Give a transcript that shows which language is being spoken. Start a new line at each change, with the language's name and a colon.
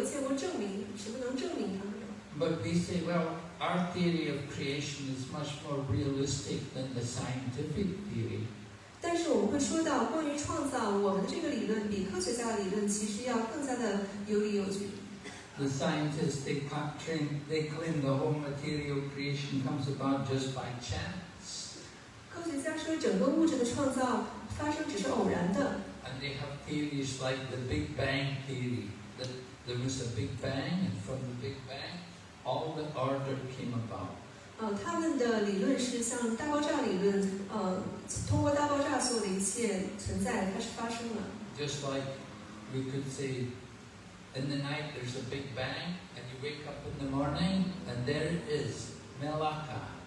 Chinese: 有人会觉得这一切听起来很精彩，我们讲这些Vishnu呀，然后他们宇宙的创造，但是我们从来没有见过证明，什么能证明他们？
English: But we say, well, our theory of creation is much more realistic than the scientific theory.
Chinese: 但是我们会说到关于创造，我们的这个理论比科学家的理论其实要更加的有理有据。
English: The scientists, they claim the whole material creation comes about just by chance.
Chinese: 科学家说整个物质的创造发生只是偶然的。
English: And they have theories like the Big Bang theory, that there was a Big Bang, and from the Big Bang, all the order came about.
Chinese: 他们的理论是像大爆炸理论，通过大爆炸所有的一切存在开始发生了。
English: Just like we could say, in the night there's a Big Bang, and you wake up in the morning, and there it is, Melaka.